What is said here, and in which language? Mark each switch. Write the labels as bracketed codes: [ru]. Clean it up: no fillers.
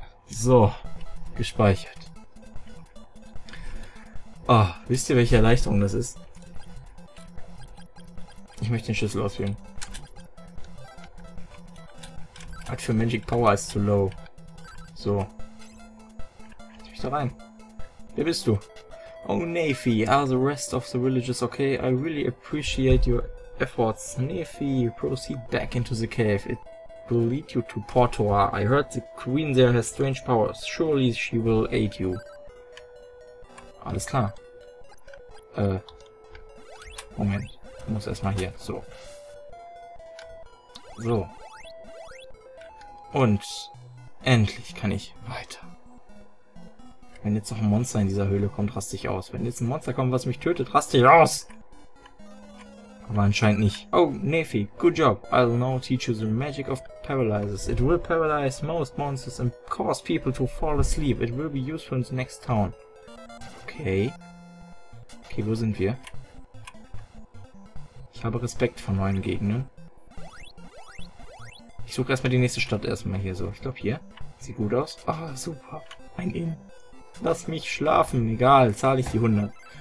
[de] So, gespeichert. Oh, wisst ihr, welche Erleichterung das ist? Ich möchte den Schlüssel auswählen. Art für Magic Power ist zu low. So. Lass mich da rein. Wer bist du? [en] Oh, Nephi, are the rest of the villagers okay? I really appreciate your efforts. Nephi, proceed back into the cave. It will lead you to Portoa. I heard the queen there has strange powers. Surely she will aid you. [de] Alles klar. Moment. Ich muss erstmal hier. So. So. Und endlich kann ich weiter. Wenn jetzt noch ein Monster in dieser Höhle kommt, raste ich aus. Wenn jetzt ein Monster kommt, was mich tötet, raste ich aus. Aber anscheinend nicht. [en] Oh, Nephi, good job. I'll now teach you the magic of paralyzes. It will paralyze most monsters and cause people to fall asleep. It will be useful in the next town. Okay. [de] Okay, wo sind wir? Ich habe Respekt vor neuen Gegnern. Ich suche erstmal die nächste Stadt erstmal hier so. Ich glaube hier. Sieht gut aus. Ah, super. Ein Inn. Lass mich schlafen. Egal, zahle ich die 100.